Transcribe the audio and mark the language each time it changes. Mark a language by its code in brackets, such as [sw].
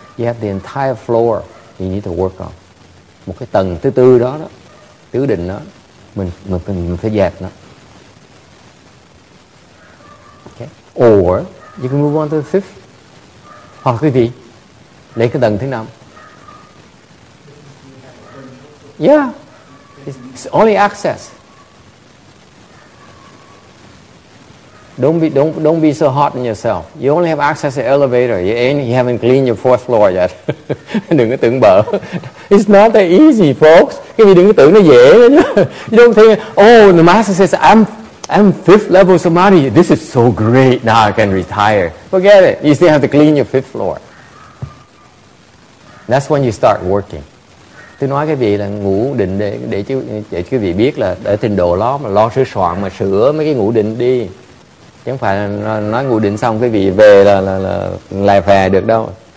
[en] You have the entire floor you need to work on. [vi] Một cái tầng thứ tư đó đó, tứ đỉnh đó, mình phải dẹp nó. [en] Okay. Or you can move on to the fifth. [vi] Hoặc cái gì? Lấy cái tầng thứ năm. [en] Yeah, it's only access. Don't be so hot on yourself. You only have access to the elevator. You haven't cleaned your fourth floor yet. [vi] Đừng có tưởng bở. [en] It's not that easy, folks. [vi] Cái gì đừng có tưởng nó dễ. [en] You don't think, oh, the master says, I'm fifth level samadhi. This is so great. Now I can retire. Forget it. You still have to clean your fifth floor. That's when you start working. [vi] Tôi nói cái vị là ngủ định để quý vị biết là để trình độ lo mà lo sửa soạn mà sửa mấy cái ngủ định đi. Chẳng phải là nói ngủ định xong cái vị về là lè phè được đâu.